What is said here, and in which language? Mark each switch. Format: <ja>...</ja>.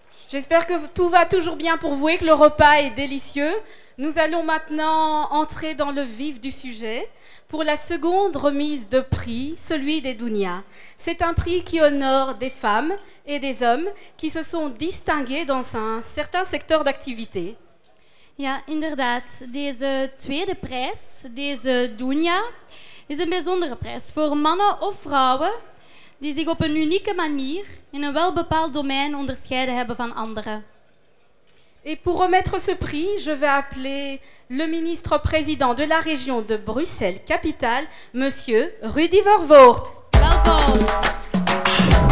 <fr>J'espère que tout va toujours bien pour vous et que le repas est délicieux. Nous allons maintenant entrer dans le vif du sujet pour la seconde remise de prix, celui des Dounia. C'est un prix qui honore des femmes et des hommes qui se sont distingués dans un certain secteur d'activité.</fr> <nl>Ja, inderdaad. Deze tweede prijs, deze Dounia, is een bijzondere prijs voor mannen of vrouwen die zich op een unieke manier in een welbepaald domein onderscheiden hebben van anderen.</nl> <fr>Et pour remettre ce prix, je vais appeler le ministre président de la région de Bruxelles capitale, monsieur Rudy Vervoort.</fr> <nl>Welkom.</nl>